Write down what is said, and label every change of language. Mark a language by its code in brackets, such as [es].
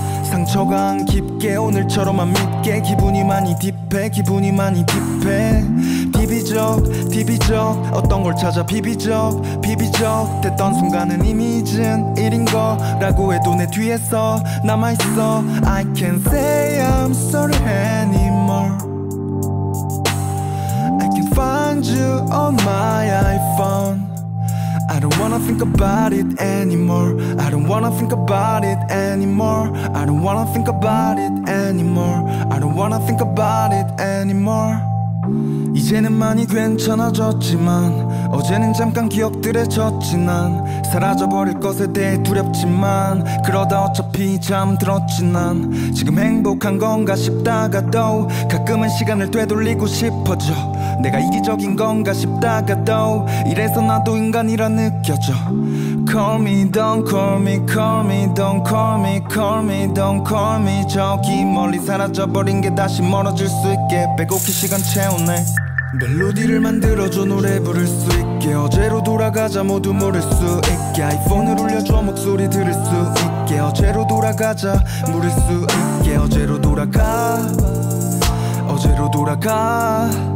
[ko] 상처가 안 깊게 오늘처럼만 믿게. 기분이 많이 딥해 기분이 많이 딥해. 비비적 비비적 어떤 걸 찾아 비비적 비비적. 됐던 순간은 이미 잊은 일인 거라고 해도 내 뒤에서 남아있어. [en] I can't say I'm sorry anymore. I can find you on my iPhone. I don't wanna think about it anymore. I don't wanna think about it anymore. I don't wanna think about it anymore. I don't wanna think about it anymore. [ko] 이제는 많이 괜찮아졌지만 어제는 잠깐 기억들에 젖지. 난 사라져버릴 것에 대해 두렵지만 그러다 어차피 잠들었지. 난 지금 행복한 건가 싶다가도 가끔은 시간을 되돌리고 싶어져. 내가 이기적인 건가 싶다가도 이래서 나도 인간이라 느껴져. [en] Call me, don't call me, call me, don't call me, call me, don't call me. [ko] 저기 멀리 사라져버린 게 다시 멀어질 수 있게. 빼곡히 시간 채우네. 멜로디를 만들어줘 노래 부를 수 있게. 어제로 돌아가자 모두 모를 수 있게. iPhone을 울려줘 목소리 들을 수 있게. 어제로 돌아가자 모를 수 있게. 어제로 돌아가 어제로 돌아가.